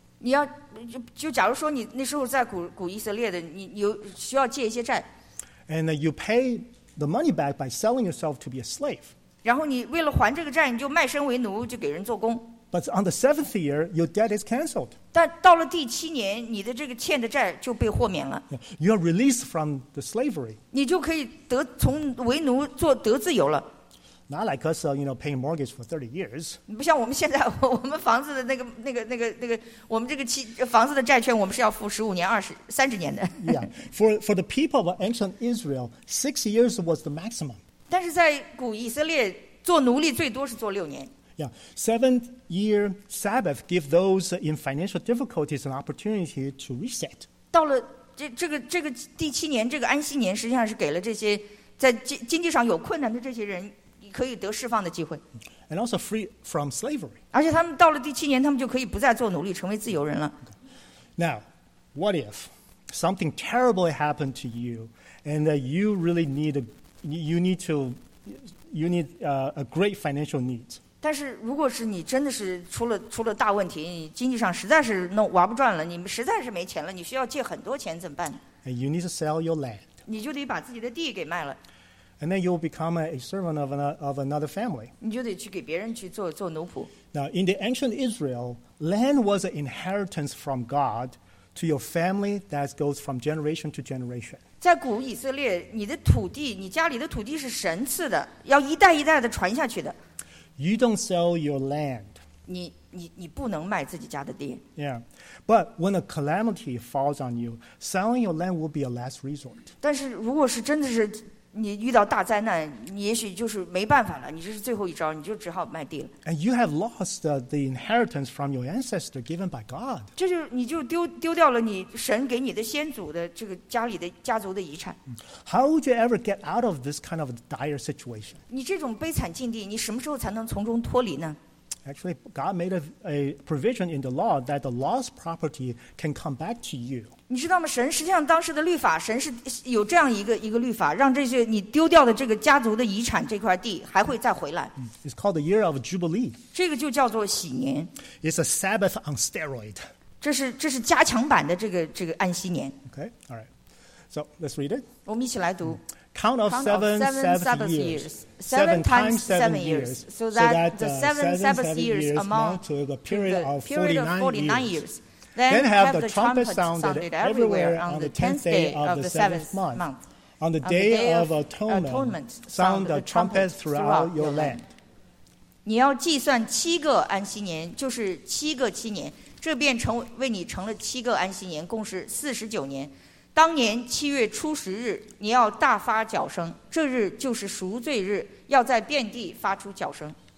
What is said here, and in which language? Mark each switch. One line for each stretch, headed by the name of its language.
Chinese: 你要就假如说你那时候在古以色列的，你有需要借一些债。
English: And you pay the money back by selling yourself to be a slave.
Chinese: 然后你为了还这个债，你就卖身为奴，就给人做工。
English: But on the seventh year, your debt is canceled.
Chinese: 但到了第七年，你的这个欠的债就被豁免了。
English: You are released from the slavery.
Chinese: 你就可以从为奴做得自由了。
English: Not like us, you know, paying mortgage for 30 years.
Chinese: 不像我们现在，我们房子的那个，我们这个房子的债券，我们是要付15年、20、30年的。
English: Yeah, for the people of ancient Israel, 6 years was the maximum.
Chinese: 但是在古以色列，做奴隶最多是做6年。
English: Yeah, seventh-year Sabbath give those in financial difficulties an opportunity to reset.
Chinese: 到了这个第七年，这个安息年实际上是给了这些在经济上有困难的这些人可以得释放的机会。
English: And also free from slavery.
Chinese: 而且他们到了第七年，他们就可以不再做奴隶，成为自由人了。
English: Okay. Now, what if something terrible happened to you, and that you really need a great financial need?
Chinese: 但是如果是你真的是出了大问题，你经济上实在是弄玩不转了，你们实在是没钱了，你需要借很多钱怎么办？
English: And you need to sell your land.
Chinese: 你就得把自己的地给卖了。
English: And then you'll become a servant of another family.
Chinese: 你就得去给别人去做奴仆。
English: Now in the ancient Israel, land was an inheritance from God to your family that goes from generation to generation.
Chinese: 在古以色列，你的土地，你家里的土地是神赐的，要一代一代的传下去的。
English: You don't sell your land.
Chinese: 你不能卖自己家的地。
English: Yeah, but when a calamity falls on you, selling your land will be a last resort.
Chinese: 但是如果是真的是你遇到大灾难，你也许就是没办法了，你这是最后一招，你就只好卖地了。
English: And you have lost the inheritance from your ancestor given by God.
Chinese: 这就你就丢掉了你神给你的先祖的这个家里的家族的遗产。
English: How would you ever get out of this kind of dire situation?
Chinese: 你这种悲惨境地，你什么时候才能从中脱离呢？
English: Actually, God made a provision in the law that the lost property can come back to you.
Chinese: 你知道吗？神实际上当时的律法，神是有这样一个律法，让这些你丢掉的这个家族的遗产这块地还会再回来。
English: It's called the year of Jubilee.
Chinese: 这个就叫做喜年。
English: It's a Sabbath on steroid.
Chinese: 这是加强版的这个安息年。
English: Okay, all right. So let's read it.
Chinese: 我们一起来读。
English: Count of seven Sabbath years, so that the seven Sabbath years amount to the period of 49 years. Then have the trumpet sounded everywhere on the 10th day of the 7th month. On the day of atonement, sound the trumpet throughout your land.
Chinese: 你要计算七个安息年，就是七个七年，这便成为你成了七个安息年，共是四十九年。当年七月初十日，你要大发脚声，这日就是赎罪日，要在遍地发出脚声。